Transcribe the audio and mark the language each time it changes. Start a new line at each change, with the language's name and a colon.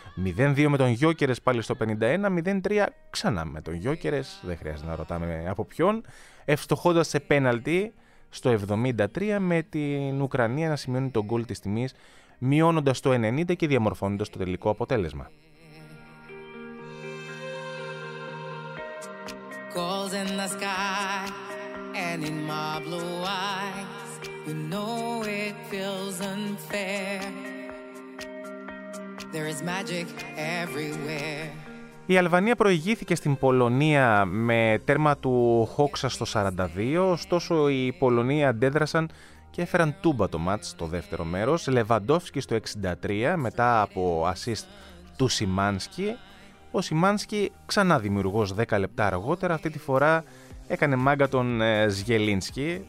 Greek: 0-2 με τον γιόκερες πάλι στο 51, 0-3 ξανά με τον γιόκερες, δεν χρειάζεται να ρωτάμε από ποιον, ευστοχώντας σε πέναλτι στο 73 με την Ουκρανία να σημειώνει τον γκολ της τιμής, μειώνοντας το 90 και διαμορφώνοντας το τελικό αποτέλεσμα.
English: Gold in the sky and in my blue eyes, you know it feels unfair. There is magic everywhere.
Greek: Η Αλβανία προηγήθηκε στην Πολωνία με τέρμα του Χόξα στο 42, ωστόσο οι Πολωνοί αντέδρασαν και έφεραν τούμπα το μάτς στο δεύτερο μέρος. Λεβαντόφσκι στο 63 μετά από ασίστ του Σιμάνσκι. Ο Σιμάνσκι ξανά δημιουργός 10 λεπτά αργότερα, αυτή τη φορά έκανε μάγκα τον Ζγελίνσκι.